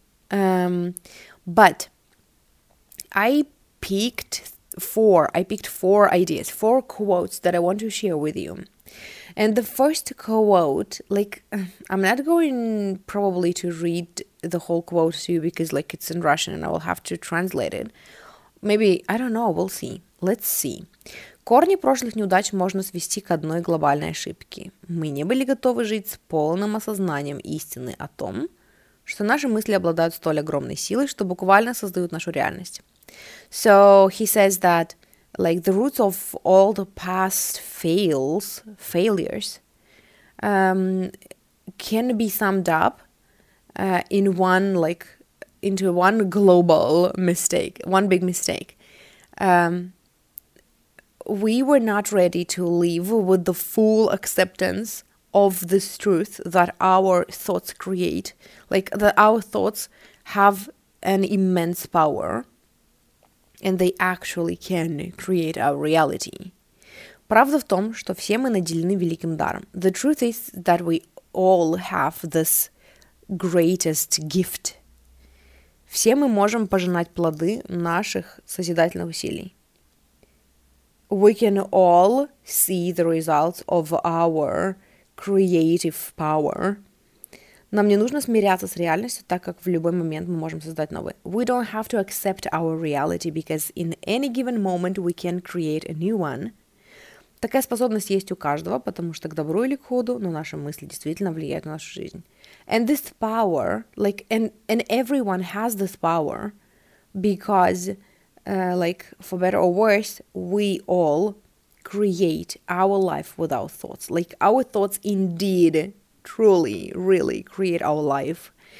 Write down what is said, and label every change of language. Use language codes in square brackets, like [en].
[en] But I picked four ideas, four quotes that I want to share with you. And the first quote, like, I'm not going probably to read the whole quote to you because, like, it's in Russian and I will have to translate it. Maybe, I don't know, we'll see. Let's see. [ru] Корни прошлых неудач можно свести к одной глобальной ошибке. Мы не были готовы жить с полным осознанием истины о том, что наши мысли обладают столь огромной силой, что буквально создают нашу реальность. [en] So he says that like the roots of all the past failures can be summed up in one like into one global mistake, one big mistake. We were not ready to live with the full acceptance of this truth that our thoughts create, like that our thoughts have an immense power and they actually can create our reality. [ru] Правда в том, что все мы наделены великим даром. [en] The truth is that we all have this greatest gift. [ru] Все мы можем пожинать плоды наших созидательных усилий. [en] We can all see the results of our creative power. [ru] Нам не нужно смиряться с реальностью, так как в любой момент мы можем создать новый. [en] We don't have to accept our reality because in any given moment we can create a new one. [ru] Такая способность есть у каждого, потому что к добру или к худу, но наши мысли действительно влияют на нашу жизнь. [en] And this power, like, and everyone has this power because, like, for better or worse, we all create our life with our thoughts. Like, our thoughts indeed, truly, really create our life.